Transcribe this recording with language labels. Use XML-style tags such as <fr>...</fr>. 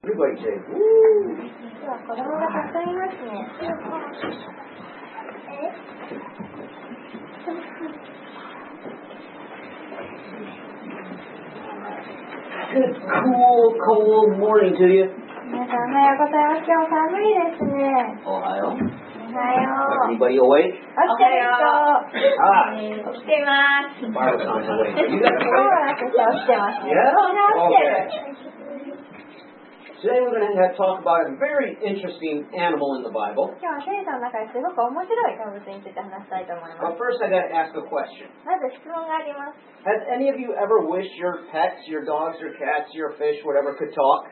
<en>Cool, cold morning to you.</en> <ja>皆さんおはようございます。今日寒いですね。おはよう。おはよう。</ja> <en>Anybody awake?</en> <ja>おはよう。起きてます。マルさん、今日は私は起きてます。起きてる。</ja> <en>Today we're going to have talk about a very interesting animal in the Bible. But first I've got to ask a question. Has any of you ever wished your pets, your dogs, your cats, your fish, whatever could talk?</en>